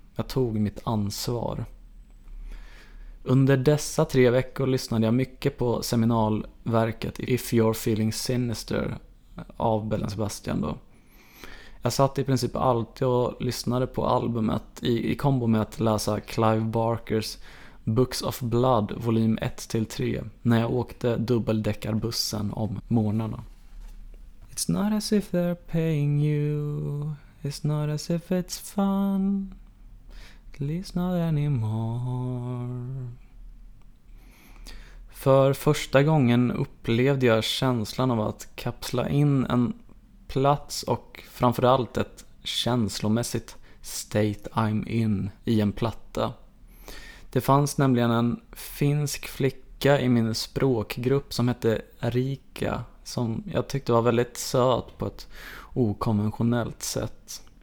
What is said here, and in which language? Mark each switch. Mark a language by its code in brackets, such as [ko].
[sv] Jag tog mitt ansvar. Under dessa 3 veckor lyssnade jag mycket på seminalverket If You're Feeling Sinister av Belle & Sebastian då. Jag satt i princip alltid och lyssnade på albumet i kombo med att läsa Clive Barkers Books of Blood volym 1-3 när jag åkte dubbeldäckarbussen om morgnarna. [en] It's not as if they're paying you, it's not as if it's fun, at least not anymore. [sv] För första gången upplevde jag känslan av att kapsla in en plats och framförallt ett känslomässigt state I'm in i en platta. Det fanns nämligen en finsk flicka i min språkgrupp som hette Rika, som jag tyckte var väldigt söt på ett okonventionellt sätt.